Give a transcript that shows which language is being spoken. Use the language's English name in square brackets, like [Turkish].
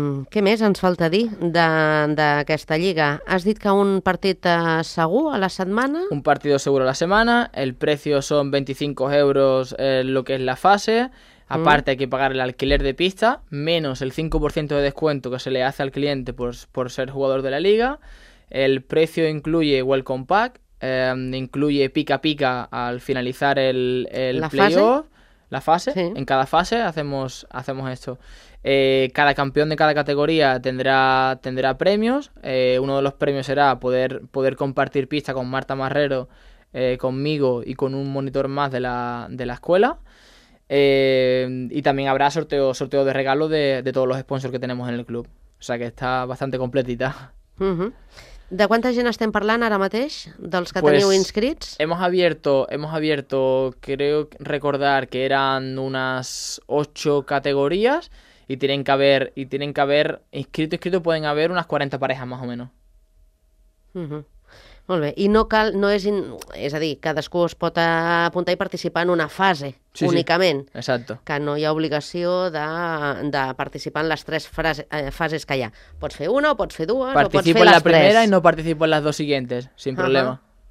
[Catalan] Què més ens falta dir d'aquesta lliga? Has dit que un partit segur a la setmana? Un partit segur a la setmana, [Spanish] el precio son 25 euros lo que es la fase, aparte hay que pagar el alquiler de pista, menos el 5% de descuento que se le hace al cliente por ser jugador de la liga, el precio incluye welcome pack, incluye pica-pica al finalizar el playoff. La fase, sí. En cada fase hacemos esto. Cada campeón de cada categoría tendrá premios. Uno de los premios será poder compartir pista con Marta Marrero, conmigo y con un monitor más de la escuela. Y también habrá sorteo de regalo de todos los sponsors que tenemos en el club. O sea que está bastante completita. ¿De cuánta gente [Catalan] estén parlant ahora mateix, dels que teniu inscrits? [Spanish] Hemos abierto, creo recordar que eran unas 8 categorías y tienen que haber inscrito, pueden haber unas 40 parejas más o menos. [Catalan] Molt bé. I no cal, no és, és a dir, cadascú es pot apuntar i participar en una fase, sí, únicament. Sí. Exacte. Que no hi ha obligació de participar en les tres fases que hi ha. Pots fer una o pots fer dues. [Spanish] Participo [Catalan] o pots fer [Spanish] en la [Catalan] les [Spanish] primera [Catalan] tres. I no participo en les dues [Spanish] siguientes, sin problema.